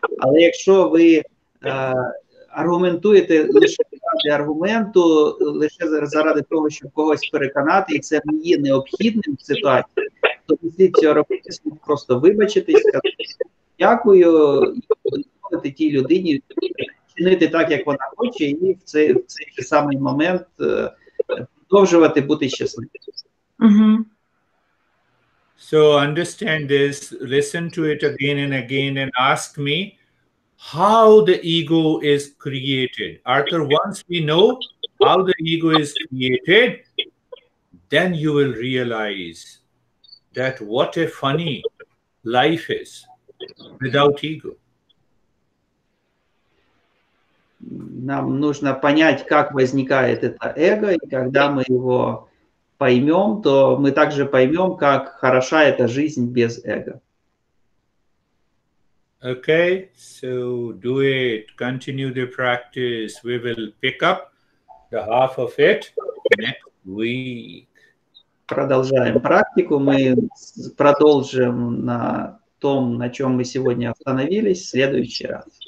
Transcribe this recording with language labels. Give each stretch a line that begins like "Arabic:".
Ukrainian: Але якщо ви аргументуєте лише заради аргументу, лише заради того, щоб когось переконати, і це не є необхідним в ситуації, то після цього робити просто вибачитись, сказати дякую, і дозволити тій людині чинити так, як вона хоче, і в цей же самий момент продовжувати бути щасливим. Угу.
English: So understand this, listen to it again and again and ask me how the ego is created. Arthur, once we know how the ego is created, then you will realize that what a funny life is without ego.
Russian: Нам нужно понять, как возникает это эго, и когда мы его поймем, то мы также поймем, как хороша эта жизнь без эго.
English: Okay, so do it. Continue the practice. We will pick up the half of it next week.
Russian: Продолжаем практику. Мы продолжим на том, на чем мы сегодня остановились, в следующий раз.